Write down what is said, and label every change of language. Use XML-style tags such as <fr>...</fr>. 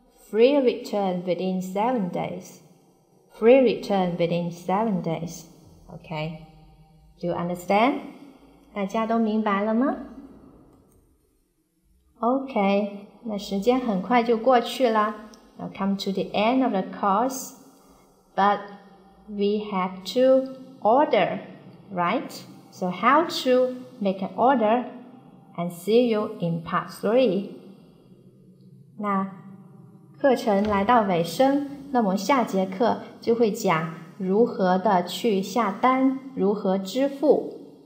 <en>Free return within 7 days. Free return within 7 days. OK. Do you understand?</en> <zh>大家都明白了吗？ OK, 那时间很快就过去了。</zh> <en>Now come to the end of the course, but we have to order, right? So how to make an order and see you in part 3.</en> <zh>那课程来到尾声，那么下节课就会讲如何的去下单，如何支付。</zh>